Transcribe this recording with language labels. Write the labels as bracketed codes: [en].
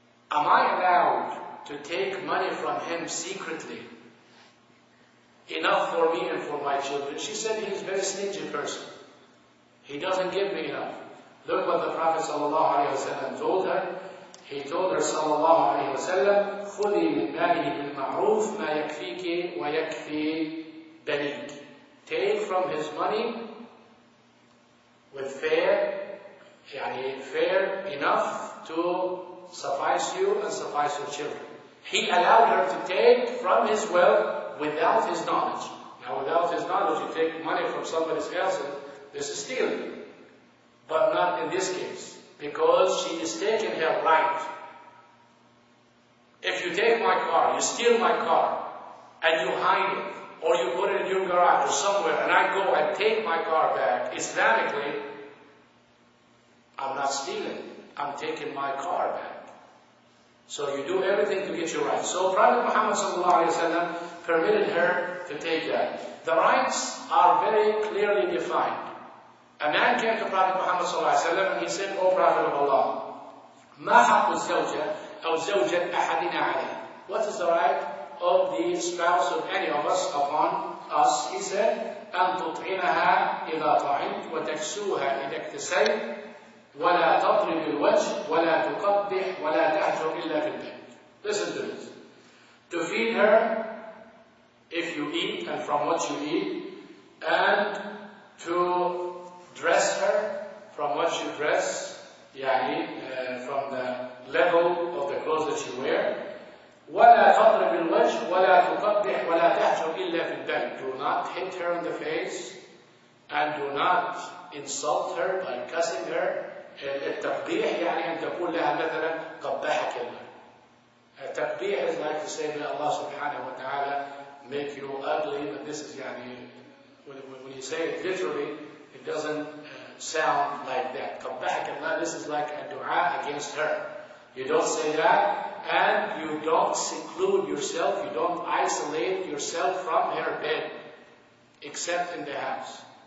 [en] Am I allowed to take money from him secretly, enough for me and for my children? She said, he's a very stingy person. He doesn't give me enough. Look what the Prophet sallallahu alaihi wasallam told her. He told her sallallahu alaihi wasallam, [ar] خُذِي مِنْ مَالِهِ بِالْمَعْرُوفِ مَا يَكْفِيكِ وَيَكْفِي بَنِيكِ. [en] Take from his money with fair, يعني fair enough to suffice you and suffice your children. He allowed her to take from his wealth without his knowledge. Now without his knowledge, you take money from somebody else, this is stealing. But not in this case, because she is taking her right. If you take my car, you steal my car, and you hide it, or you put it in your garage or somewhere, and I go and take my car back, Islamically, I'm not stealing, I'm taking my car back. So you do everything to get your right. So Prophet Muhammad sallallahu alayhi wa sallam permitted her to take that. The rights are very clearly defined. A man came to Prophet Muhammad sallallahu alayhi wa sallam and he said, O Prophet of Allah, [ar] ما حق الزوجة أو زوجة أحدنا عليه. [en] What is the right of the spouse of any of us upon us? He said, [ar] أن تطعمها إذا طعمت وتكسوها إذا اكتسيت ولا تضرب الوجه ولا تقبح ولا تهجر إلا في البيت. [en] Listen to this. To feed her, if you eat and from what you eat, and to dress her from what you dress, يعني from the level of the clothes that you wear. [ar] ولا تضرب الوجه ولا تقبح ولا تهجر إلا في البيت. [en] Do not hit her in the face, and do not insult her by cussing her. [ar] التقبيح يعني أن تقول لها مثلا قبحك الله. [en] التقبيح is like to say that Allah subhanahu wa ta'ala make you ugly, but this is يعني when you say it literally, it doesn't sound like that. [ar] قبحك الله, [en] this is like a dua against her. You don't say that, and you don't seclude yourself, you don't isolate yourself from her bed, except in the house.